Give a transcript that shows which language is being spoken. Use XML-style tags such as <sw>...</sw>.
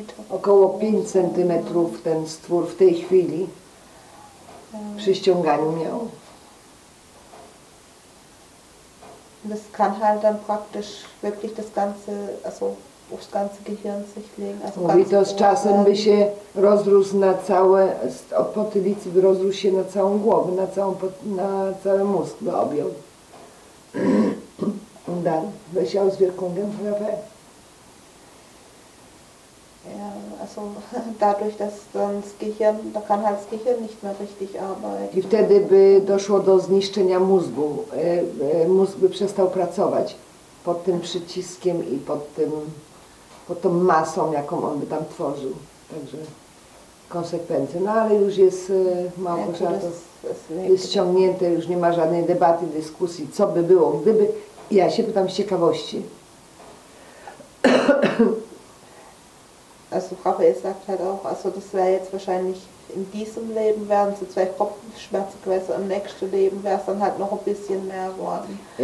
<pl>Około 5 centymetrów ten stwór w tej chwili przy ściąganiu miał.</pl> <de>Das kann halt dann praktisch wirklich das ganze, also aufs ganze Gehirn sich legen. Also</de> <pl>mówi, to z czasem by się rozrósł na całe, od potylicy by rozrósł się na całą głowę, na cały mózg by objął.</pl> <de>Und dann, welche Auswirkungen, Rafael? Ja, also dadurch, dass dann das Gehirn, da kann halt das Gehirn nicht mehr richtig arbeiten.</de> <pl>I wtedy by doszło do zniszczenia mózgu. Mózg by przestał pracować pod tym przyciskiem i pod tą masą, jaką on by tam tworzył. Także konsekwencje. No ale już jest Małgorzata, jest ściągnięte, już nie ma żadnej debaty, dyskusji, co by było, gdyby Ja się pytam z ciekawości.</pl> <de>Also Raphael sagt halt auch, also das wäre jetzt wahrscheinlich in diesem Leben wären so zwei Kopfschmerzen gewesen, im nächsten Leben wäre es dann halt noch ein bisschen mehr geworden.</de>